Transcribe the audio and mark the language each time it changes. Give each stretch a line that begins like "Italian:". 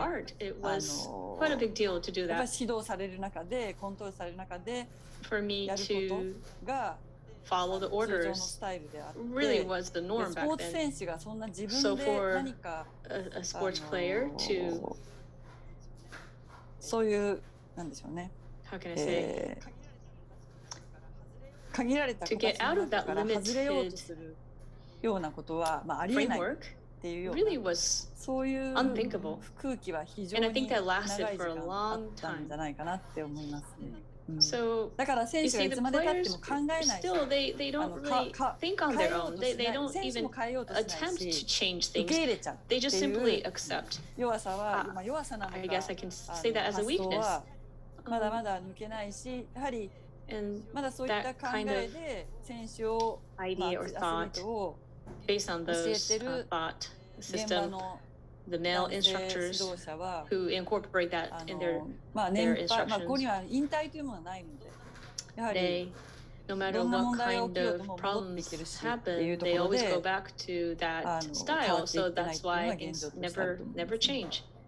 Japanese: ぱ指導される中でコントロールされる中でやることが。
English: Follow the orders really was the norm back then. So for a sports player to,
Japanese: そういうなんでしょうね。
English: How can I say?
Japanese: 限られた形の中から外れようとするようなことはまあありえないっていうような。
English: Really was
Japanese: そういう
English: unthinkable.
Japanese: 空気は非常に長い時間あったんじゃないかなって思いますね。
English: So,
Japanese: だから選手はいつまでたっても考えないし、
English: still, they don't really think on their own. They don't even attempt to change things. They just simply accept.
Japanese: 弱さは、まあ弱さなのか、
English: I guess I can say that as a weakness.
Japanese: まだまだ抜けないし、やはりまだそういった考えで選手を、アスリートを教えてる、
English: based on those thought system. The male instructors who incorporate that in their instructions.
Japanese: まあ、5には引退というものはないので、やはり
English: no matter what kind of problems happen, they always go back to that style. So that's why things never change.